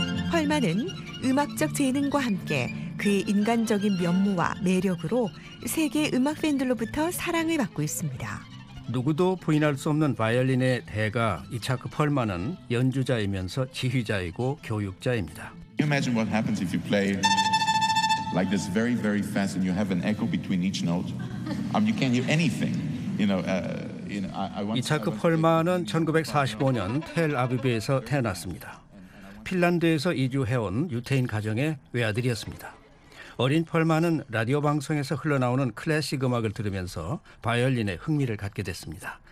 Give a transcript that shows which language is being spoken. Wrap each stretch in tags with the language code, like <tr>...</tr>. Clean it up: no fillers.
<ko>펄만은 음악적 재능과 함께 그의 인간적인 면모와 매력으로 세계 음악 팬들로부터 사랑을 받고 있습니다. 누구도 부인할 수 없는 바이올린의 대가 이차크 펄만은 연주자이면서 지휘자이고 교육자입니다.</ko> <en>Can you imagine what happens if you play like this very very fast and you have an echo between each note? You can't hear anything. You know,</en> <ko>이차크 펄만은 1945년 텔 아비브에서 태어났습니다. 핀란드에서 이주해온 유태인 가정의 외아들이었습니다. 어린 펄만은 라디오 방송에서 흘러나오는 클래식 음악을 들으면서 바이올린에 흥미를 갖게 됐습니다.</ko>